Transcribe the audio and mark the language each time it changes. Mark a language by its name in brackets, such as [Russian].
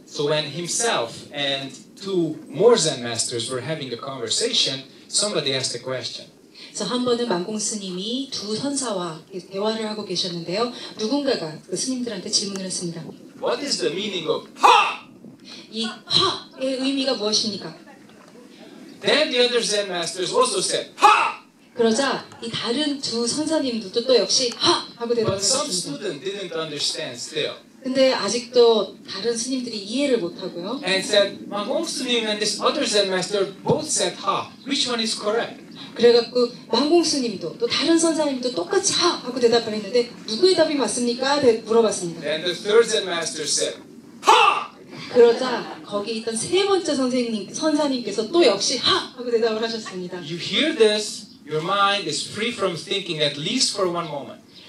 [English] So when himself and two more Zen masters were having a conversation, somebody asked a question. [Korean] 그래서 한 번은 망공 스님이 두 선사와 대화를 하고 계셨는데요. 누군가가 그 스님들한테 질문을 했습니다. [English] What is the meaning of ha? [Korean] 이 ha의 의미가 무엇입니까? [English] Then the other Zen masters also said ha. [Korean] 그러자 이 다른 두 선사님들도 또 역시 하! 하고 대답했습니다. 근데 아직도 다른 스님들이 이해를 못하고요. [English] And said, Mangong Sunim and this other Zen master both said ha. Which one is correct? [Korean] 그래갖고 망공 스님도 또 다른 선사님도 똑같이 하! 하고 대답을 했는데 누구의 답이 맞습니까? 물어봤습니다. [English] And the third Zen master said ha. [Korean] 그러자 거기 있던 세 번째 선사님께서 또 역시 하! 하고 대답을 하셨습니다. [English] You hear this? Your mind is free from thinking at least for one moment.